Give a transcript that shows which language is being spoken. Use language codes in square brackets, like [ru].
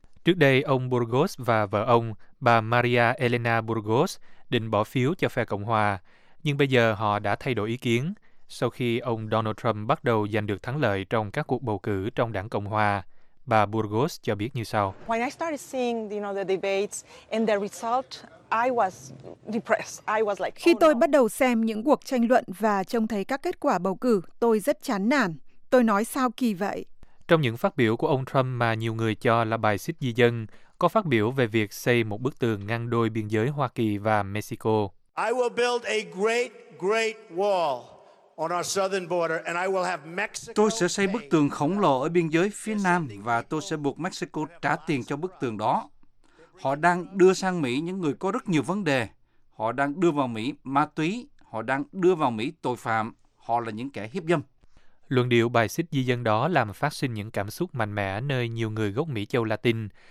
[vi] Trước đây, ông Burgos và vợ ông, bà Maria Elena Burgos, định bỏ phiếu cho phe Cộng hòa, nhưng bây giờ họ đã thay đổi ý kiến sau khi ông Donald Trump bắt đầu giành được thắng lợi trong các cuộc bầu cử trong đảng Cộng hòa. Bà Burgos cho biết như sau. [en] When I started seeing, you know, the debates and the result, I was depressed. I was like, [vi] khi tôi bắt đầu xem những cuộc tranh luận và trông thấy các kết quả bầu cử, tôi rất chán nản. Tôi nói sao kỳ vậy? Trong những phát biểu của ông Trump mà nhiều người cho là bài xích di dân, có phát biểu về việc xây một bức tường ngăn đôi biên giới Hoa Kỳ và Mexico. [en] I will build a great, great wall on our southern border, and I will have Mexico. [vi] Tôi sẽ xây bức tường khổng lồ ở biên giới phía nam và tôi sẽ buộc Mexico trả tiền cho bức tường đó. Họ đang đưa sang Mỹ những người có rất nhiều vấn đề. Họ đang đưa vào Mỹ ma túy. Họ đang đưa vào Mỹ tội phạm. Họ là những kẻ hiếp dâm. Luận điệu bài xích di dân đó làm phát sinh những cảm xúc mạnh mẽ nơi nhiều người gốc Mỹ châu Latin.